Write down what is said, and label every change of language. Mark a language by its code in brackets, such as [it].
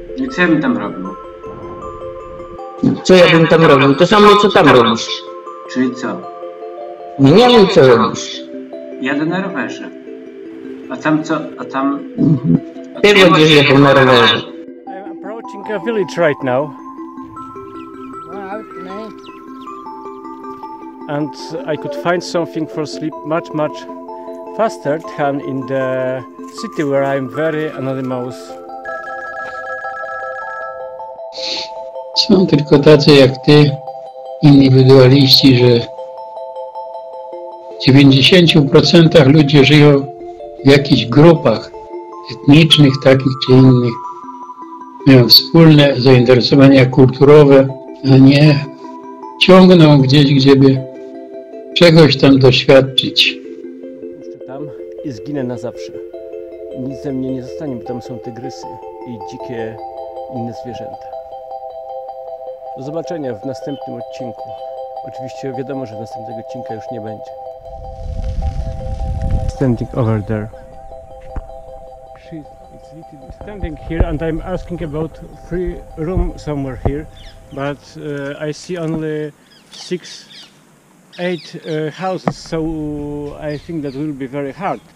[pl] Co ja bym tam robił? Co ja bym tam robił? To samo, co tam robisz. Czyli co? Nie wiem, co robisz. Jadę na rowerze. A tam co? A tam... Ty będziesz jechał na rowerze. [en] I'm approaching a village right now. And I could find something for sleep much, much faster than in the city where I'm very anonymous. [pl] Są tylko tacy jak ty, indywidualiści, że w 90% ludzie żyją w jakichś grupach etnicznych, takich czy innych. Mają wspólne zainteresowania kulturowe, a nie ciągną gdzieś, gdzie by czegoś tam doświadczyć. I zginę na zawsze. Nic ze mnie nie zostanie, bo tam są tygrysy i dzikie inne zwierzęta. Do zobaczenia w następnym odcinku. Oczywiście wiadomo, że następnego odcinka już nie będzie. [en] Standing over there. She's standing here and I'm asking about free room somewhere here, but I see only 8 houses, so I think that will be very hard.